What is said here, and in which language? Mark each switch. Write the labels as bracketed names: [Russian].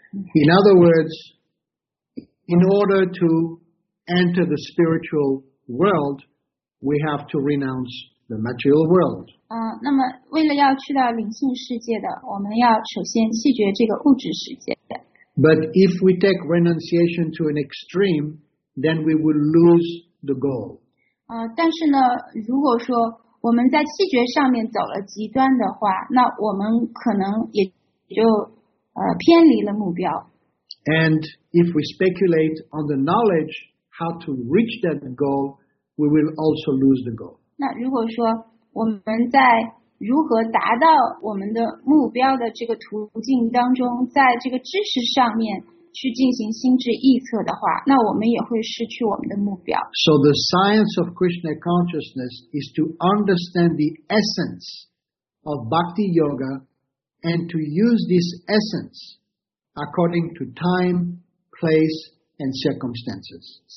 [English] In other words, in order to enter the spiritual world, we have to renounce the material world. [Chinese] 那么为了要去到灵性世界的，我们要首先弃绝这个物质世界。 [English] But if we take renunciation to an extreme, then we will lose the goal. [Chinese] 但是呢，如果说我们在气绝上面走了极端的话，那我们可能也就偏离了目标。 [English] And if we speculate on the knowledge how to reach that goal, we will also lose the goal. [Chinese] 那如果说我们在如何达到我们的目标的这个途径当中，在这个知识上面去进行心智臆测的话，那我们也会失去我们的目标。 [English] So the science of Krishna consciousness is to understand the essence of bhakti yoga and to use this essence according to time, place, and circumstances.